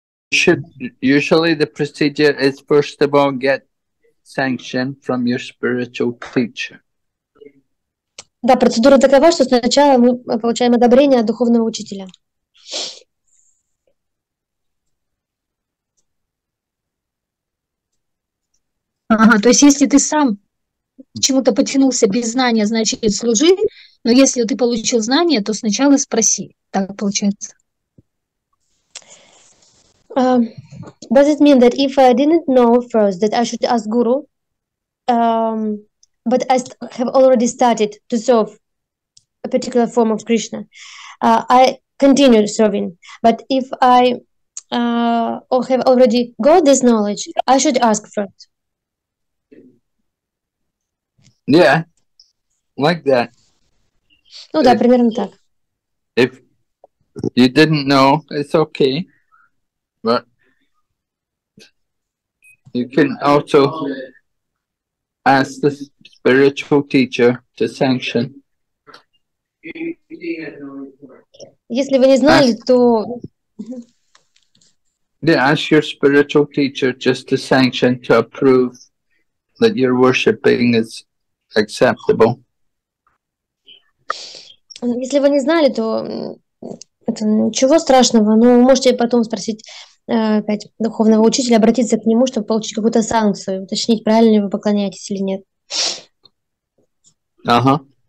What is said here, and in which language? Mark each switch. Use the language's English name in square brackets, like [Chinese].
[English] Should, usually the procedure is first of all get sanction from your spiritual teacher. [Russian] Да, процедура такова, что сначала мы получаем одобрение от духовного учителя. Ага, то есть если ты сам чему-то потянулся без знания, значит, служи. Но если ты получил знание, то сначала спроси. Так получается. [English] Does it mean that if I didn't know first that I should ask guru, but I have already started to serve a particular form of Krishna, I continue serving. But if I or have already got this knowledge, I should ask first. Yeah, like that. [Russian] Ну да, примерно так. [English] If you didn't know, it's okay. But you can also ask the spiritual teacher to sanction. [Russian] Если вы не знали, то... [English] Yeah, ask your spiritual teacher just to sanction, to approve that you're worshiping is... acceptable. [Russian] Если вы не знали, то это ничего страшного, но вы можете потом спросить опять духовного учителя, обратиться к нему, чтобы получить какую-то санкцию, уточнить, правильно ли вы поклоняетесь или нет. Ага.